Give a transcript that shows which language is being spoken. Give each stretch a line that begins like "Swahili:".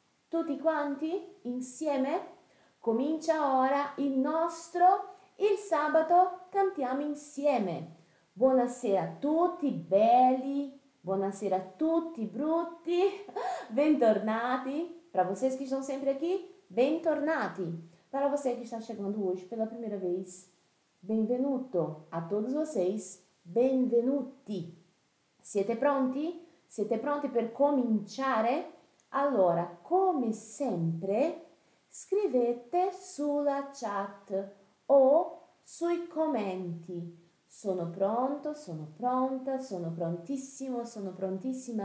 Italian: Tutti quanti insieme? Comincia ora il nostro Il sabato cantiamo insieme. Buonasera a tutti belli, buonasera a tutti brutti, bentornati.
Portuguese: Para vocês que estão sempre aqui, bentornati. Para você que está chegando hoje pela primeira vez, benvenuto a todos vocês, benvenuti.
Italian: Siete pronti? Siete pronti per cominciare? Allora, come sempre, scrivete sulla chat o sui commenti. Sono pronto, sono pronta, sono prontissimo, sono prontissima.